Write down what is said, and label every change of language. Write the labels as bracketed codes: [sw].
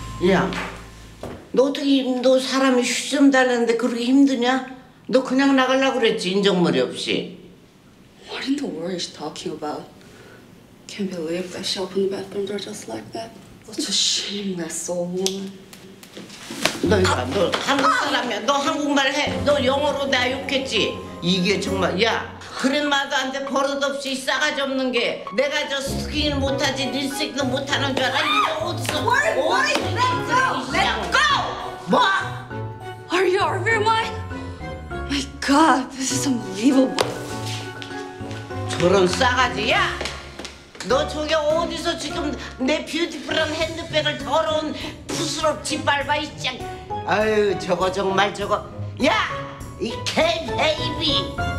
[ko] 야, 너 어떻게 너 사람이 휴지 좀 달라는데 그렇게 힘드냐? 너 그냥 나가려고 그랬지, 인정머리 없이. [en] What in the world is she talking about? Can't believe that she opened the bathroom door just like that. What a shameless old woman. [ko] 너 이거 너 한국 사람이야. 너 한국말 해. 너 영어로 나 욕했지. 이게 정말, 야, 그런 말도 안 돼. 버릇없이 싸가지 없는 게. 내가 저 스킨 못하지, 립스틱도 못하는 줄 알아? 이거 어디서? [en] What? Let go! Let go! [ko] 뭐? [en] Are you out of your mind? My God, this is unbelievable. [ko] 저런 싸가지야? 너 저기 어디서 지금 내 뷰티풀한 핸드백을 더러운 부스럭 짓밟아 있지? 아유, 저거 정말 저거. 야! 이 개베이비!